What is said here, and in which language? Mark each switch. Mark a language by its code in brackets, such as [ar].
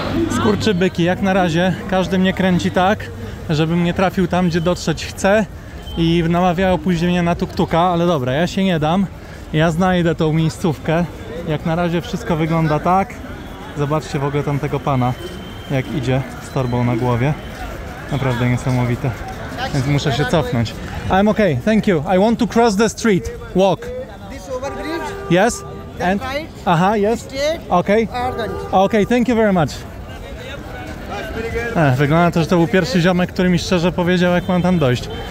[pl] Skurczybyki, jak na razie każdy mnie kręci tak, żebym nie trafił tam, gdzie dotrzeć chcę i namawiają później mnie na tuktuka, ale dobra, ja się nie dam. Ja znajdę tą miejscówkę. Jak na razie wszystko wygląda tak. Zobaczcie w ogóle tamtego pana, jak idzie z torbą na głowie. Naprawdę niesamowite. Więc muszę się cofnąć. [en] I'm okay, thank you. I want to cross the street. Walk. This overbridge? Yes. And? Aha, yes. Okay. Okay, thank you very much. [pl] Wygląda to, że to był pierwszy ziomek, który mi szczerze powiedział, jak mam tam dojść.